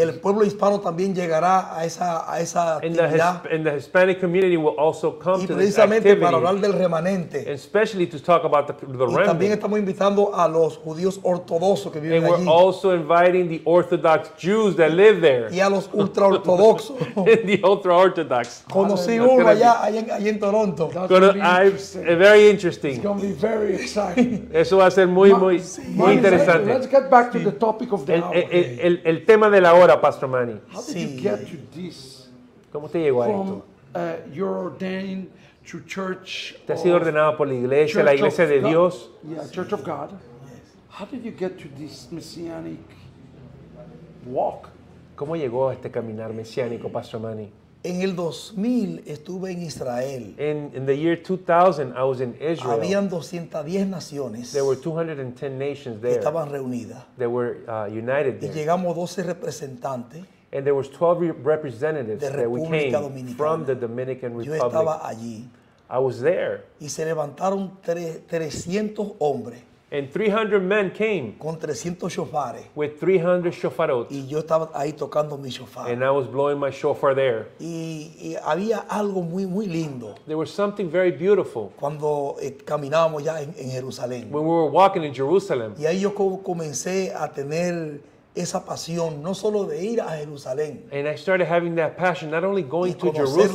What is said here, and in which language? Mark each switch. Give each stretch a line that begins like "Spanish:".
Spanish: El pueblo hispano también llegará a esa actividad.
English: And the Hispanic community will also come to this activity.
Spanish: Y precisamente para hablar del remanente.
English: Especially to talk about the remnant.
Spanish: Y también estamos invitando a los judíos ortodoxos que viven allí.
English: And we're also inviting the Orthodox Jews that live there.
Spanish: Y a los ultra ortodoxos.
English: The ultra Orthodox.
Spanish: Conocí uno allá en Toronto.
English: Very interesting. It's going to be very exciting.
Spanish: Eso va a ser muy interesante.
English: Let's get back to the topic of the hour.
Spanish: El tema de la hora, Pastor Manny.
English: How did you get to this?
Spanish: ¿Cómo te llegó a esto?
English: You're ordained to church.
Spanish: Te has sido ordenado por la iglesia, la iglesia de Dios.
English: Yeah, Church of God. How did you get to this messianic walk?
Spanish: ¿Cómo llegó a este caminar mesiánico, Pastor Manny? En el 2000 estuve en Israel.
English: In the year 2000, I was in Israel.
Spanish: Habían 210 naciones.
English: There were 210 nations there.
Spanish: Estaban reunidas.
English: They were united there.
Spanish: Y llegamos 12 representantes.
English: And there was 12 representatives
Spanish: de República
English: that we came
Spanish: Dominicana.
English: From the Dominican Republic.
Spanish: Yo estaba allí.
English: I was there.
Spanish: Y se levantaron 300 hombres.
English: And 300 men came.
Spanish: Con 300 shofares.
English: With 300 shofarot.
Spanish: Y yo estaba ahí tocando mi shofar.
English: And I was blowing my shofar there.
Spanish: Y había algo muy, muy lindo.
English: There was something very beautiful.
Spanish: Cuando caminábamos ya en Jerusalén.
English: When we were walking in Jerusalem.
Spanish: Y ahí yo comencé a tener esa pasión, no solo de ir a Jerusalén.
English: And I started having that passion, not only going to Jerusalem.